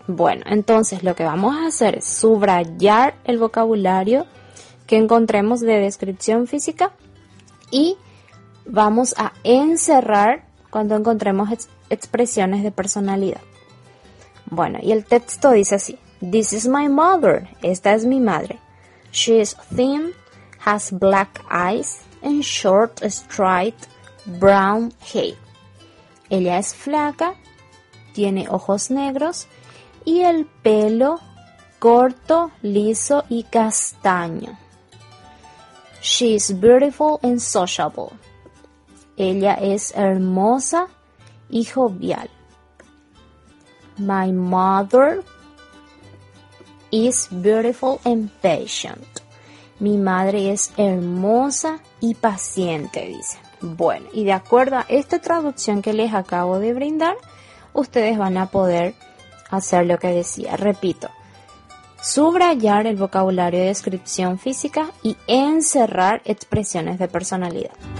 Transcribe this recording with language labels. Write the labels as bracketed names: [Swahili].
[Spanish] Bueno, entonces lo que vamos a hacer es subrayar el vocabulario que encontremos de descripción física y vamos a encerrar cuando encontremos expresiones de personalidad. Bueno, y el texto dice así. [English] This is my mother. [Spanish] Esta es mi madre. [English] She is thin, has black eyes and short, straight, brown hair. [Spanish] Ella es flaca, tiene ojos negros y el pelo corto, liso y castaño. [English] She is beautiful and sociable. [Spanish] Ella es hermosa y jovial. [English] My mother is beautiful and patient. [Spanish] Mi madre es hermosa y paciente, dice. Bueno, y de acuerdo a esta traducción que les acabo de brindar, ustedes van a poder hacer lo que decía. Repito, subrayar el vocabulario de descripción física y encerrar expresiones de personalidad.